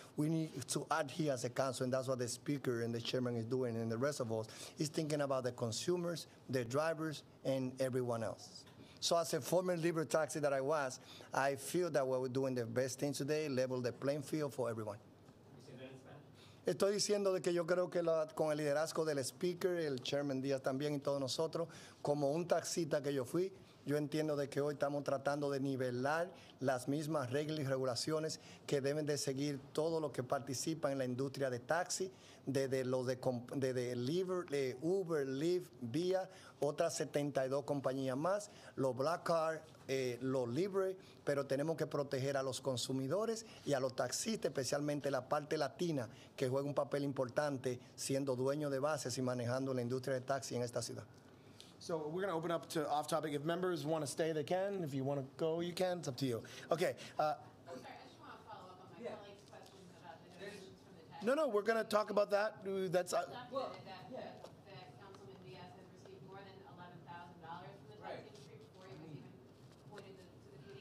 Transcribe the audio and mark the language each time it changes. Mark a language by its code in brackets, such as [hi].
[en] We need to add here as a council, and that's what the speaker and the chairman is doing and the rest of us, is thinking about the consumers, the drivers, and everyone else. So as a former Liberal taxi that I was, I feel that we're doing the best thing today, level the playing field for everyone. [es] Estoy diciendo que yo creo que con el liderazgo del speaker, el chairman Díaz también y todos nosotros, como un taxista que yo fui, yo entiendo de que hoy estamos tratando de nivelar las mismas reglas y regulaciones que deben de seguir todos los que participan en la industria de taxi, desde los de Uber, Uber, Lyft, Via, otras 72 compañías más, los Black Car, los Libre, pero tenemos que proteger a los consumidores y a los taxistas, especialmente la parte latina, que juega un papel importante siendo dueño de bases y manejando la industria de taxi en esta ciudad. [en] So we're going to open up to off topic. If members want to stay, they can. If you want to go, you can. It's up to you. Okay. I'm sorry. I just want to follow up on my colleague's questions about the donations from the tax. No, we're going to talk about that. That's well, that Councilman Diaz has received more than $11,000 from the tax industry before he was even appointed to the PD.